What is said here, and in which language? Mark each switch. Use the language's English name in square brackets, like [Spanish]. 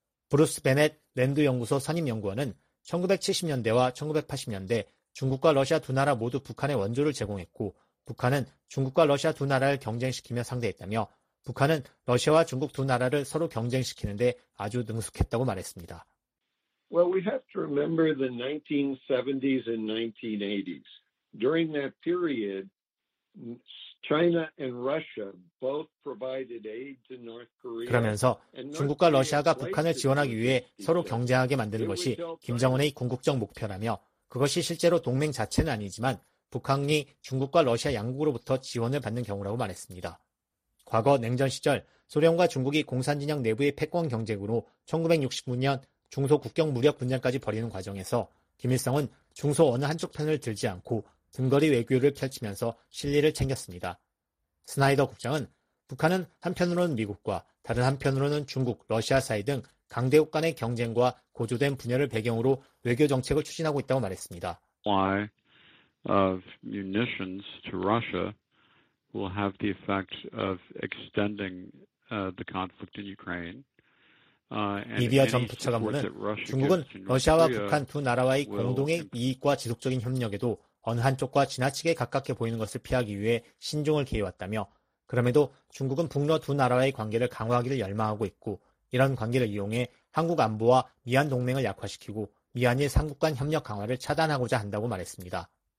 [Korean] 브루스 베넷 랜드연구소 선임연구원은 1970년대와 1980년대 중국과 러시아 두 나라 모두 북한에 원조를 제공했고 북한은 중국과 러시아 두 나라를 경쟁시키며 상대했다며 북한은 러시아와 중국 두 나라를 서로 경쟁시키는 데 아주 능숙했다고 말했습니다. [English] Well, we have to remember the 1970s and 1980s. During that period, China and Russia both provided aid to North Korea. [Korean] 그러면서 중국과 러시아가 북한을 지원하기 위해 서로 경쟁하게 만드는 것이 김정은의 궁극적 목표라며 그것이 실제로 동맹 자체는 아니지만 북한이 중국과 러시아 양국으로부터 지원을 받는 경우라고 말했습니다. 과거 냉전 시절 소련과 중국이 공산진영 내부의 패권 경쟁으로 1969년 중소 국경 무력 분쟁까지 벌이는 과정에서 김일성은 중소 어느 한쪽 편을 들지 않고 등거리 외교를 펼치면서 실리를 챙겼습니다. 스나이더 국장은 북한은 한편으로는 미국과 다른 한편으로는 중국, 러시아 사이 등 강대국 간의 경쟁과 고조된 분열을 배경으로 외교 정책을 추진하고 있다고 말했습니다. [English] Why of munitions to Russia will have the effect of extending the conflict in Ukraine. [Korean] 리비아 전 부차관보는 중국은 러시아와 북한 두 나라와의 공동의 이익과 지속적인 협력에도 어느 한쪽과 지나치게 가깝게 보이는 것을 피하기 위해 신중을 기해왔다며 그럼에도 중국은 북러 두 나라와의 관계를 강화하기를 열망하고 있고 이런 관계를 이용해 한국 안보와 미안 동맹을 약화시키고 미안의 3국 간 협력 강화를 차단하고자 한다고 말했습니다.